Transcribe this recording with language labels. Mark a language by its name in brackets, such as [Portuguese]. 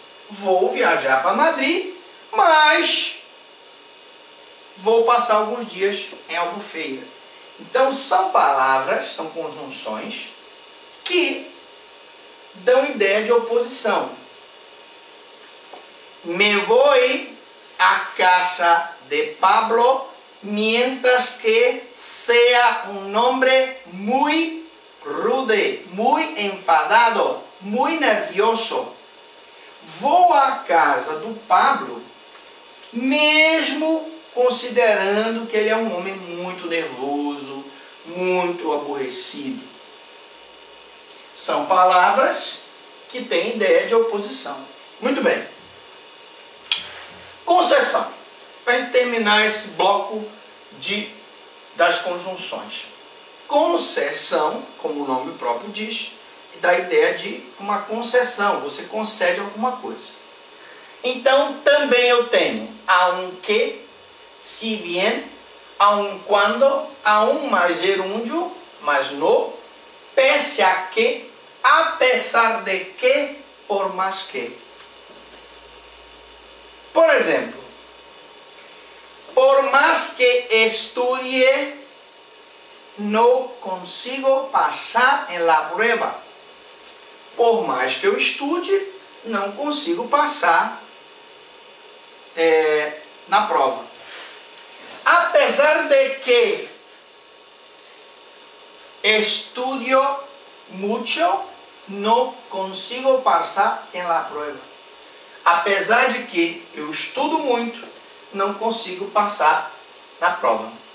[Portuguese] Vou viajar para Madrid, mas vou passar alguns dias em Albufeira. Então, são palavras, são conjunções que dão ideia de oposição. [Spanish] Me voy a casa de Pablo, mientras que sea un hombre muy rude, muy enfadado, muy nervioso. [Portuguese] Vou à casa do Pablo, mesmo considerando que ele é um homem muito nervoso, muito aborrecido. São palavras que têm ideia de oposição. Muito bem. Concessão. Para terminar esse bloco das conjunções. Concessão, como o nome próprio diz, dá a ideia de uma concessão. Você concede alguma coisa. Então, também eu tenho aunque, si bien, aun cuando, aun mais gerúndio, mais no, pese a que, apesar de que, por mais que. Por exemplo, [Spanish] por más que estudie, no consigo passar en la prueba. [Portuguese] Por mais que eu estude, não consigo passar na prova. [Spanish] Apesar de que estudio mucho, no consigo passar en la prueba. [Portuguese] Apesar de que eu estudo muito, não consigo passar na prova.